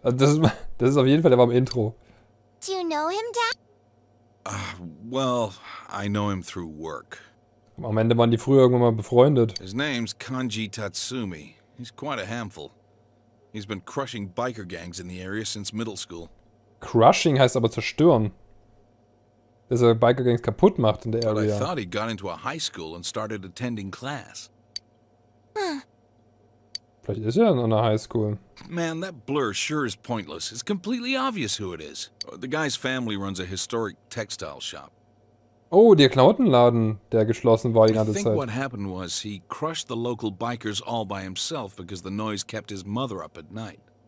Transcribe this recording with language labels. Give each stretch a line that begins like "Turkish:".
German: Das ist auf jeden Fall, der war im Intro.
English: Do you know him, Dad? Well, I know him through work.
German: Am Ende waren die früher irgendwann mal befreundet.
English: His name's Kanji Tatsumi. He's quite a handful. He's been crushing biker gangs in the area since middle school.
German: Crushing heißt aber zerstören. Dass er
English: biker gangs
German: kaputt macht in der area.
English: But I thought he got into a high school and started attending class.
German: Vielleicht ist er in einer high school.
English: Man, that blur sure is pointless. It's completely obvious who it is. The guy's family runs a historic textile shop.
German: Oh, der Klamottenladen, der geschlossen war die ganze Zeit.
English: I think what happened was he crushed the local bikers all by himself because the noise kept his mother up at night.